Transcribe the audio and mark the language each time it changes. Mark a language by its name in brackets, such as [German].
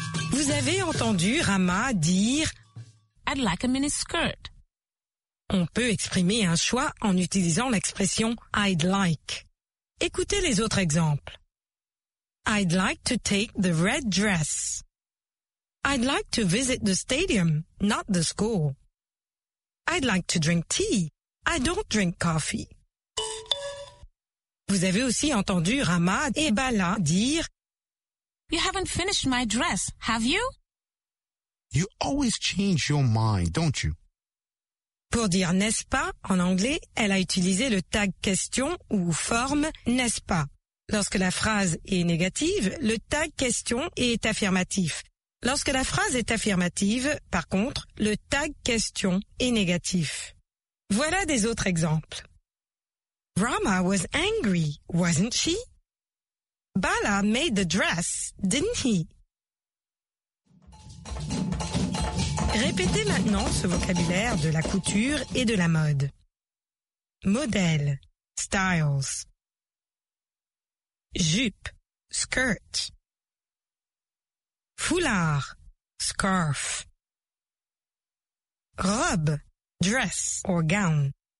[French] Vous avez entendu Rama dire [English] « I'd like a miniskirt ». [French] On peut exprimer un choix en utilisant l'expression « I'd like ». Écoutez les autres exemples. [English] « I'd like to take the red dress ». « I'd like to visit the stadium, not the school ». « I'd like to drink tea. I don't drink coffee ». [French] Vous avez aussi entendu Rama et Bala dire [English] « You haven't finished my dress, have you ?» You always change your mind, don't you? [French] Pour dire n'est-ce pas, en anglais, elle a utilisé le tag question ou forme n'est-ce pas. Lorsque la phrase est négative, le tag question est affirmatif. Lorsque la phrase est affirmative, par contre, le tag question est négatif. Voilà des autres exemples. [English] Rama was angry, wasn't she? Bala made the dress, didn't he? [French] Répétez maintenant ce vocabulaire de la couture et de la mode. Modèle, styles. Jupe, skirt. Foulard, scarf. Robe, dress or gown.